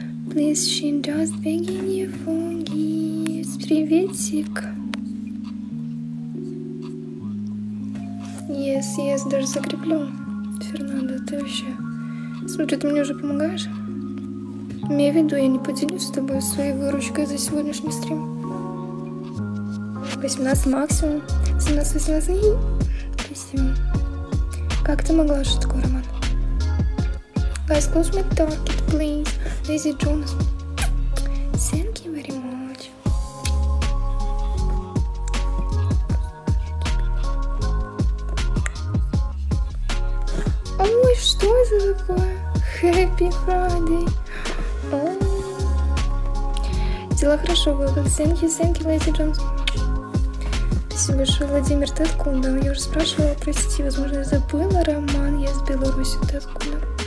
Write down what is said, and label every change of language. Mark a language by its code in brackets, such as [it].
[en] Please, she just begging you for gifts. [ru] Приветик. [en] Yes, yes, [ru] даже закреплю. Фернандо, ты вообще... Смотри, ты мне уже помогаешь? Имею в виду, я не поделюсь с тобой своей выручкой за сегодняшний стрим. 18 максимум. 17-18. Спасибо. Как ты могла? Что такое, Роман? [en] Guys, close my target, please. Лейзи Джонс. Thank you very much. [ru] Ой, что это такое? [en] Happy Friday. [ru] Дела хорошо будут. [en] Thank you, thank you, Лейзи Джонс. [ru] Спасибо большое, Владимир, ты откуда? Я уже спрашивала, простите, возможно, я забыла, Роман, я с Беларуси, ты откуда?